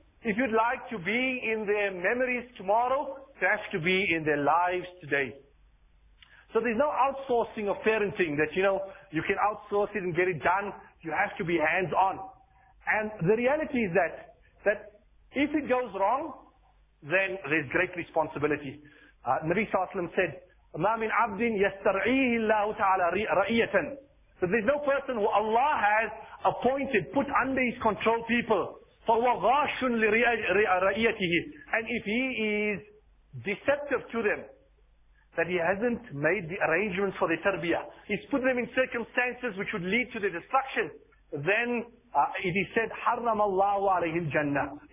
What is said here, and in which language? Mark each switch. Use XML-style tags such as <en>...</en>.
<en>If you'd like to be in their memories tomorrow, you have to be in their lives today. So there's no outsourcing of parenting that, you know, you can outsource it and get it done. You have to be hands-on. And the reality is that if it goes wrong, then there's great responsibility. Nabi Sallallahu Alaihi Wasallam said,</en> <ar>مَا مِنْ عَبْدٍ يَسْتَرْعِيهِ اللَّهُ تَعَلَى رَئِيَةً.</ar> <en>So there's no person who Allah has appointed, put under his control people.</en> <ar>فَهُوَ غَاشٌ لِرَئِيَتِهِ.</ar> <en>And if he is deceptive to them, that he hasn't made the arrangements for the tarbiyah, he's put them in circumstances which would lead to their destruction, then it is said,</en> <ar>حَرَّمَ اللَّهُ عَلَيْهِ الْجَنَّةِ.</ar>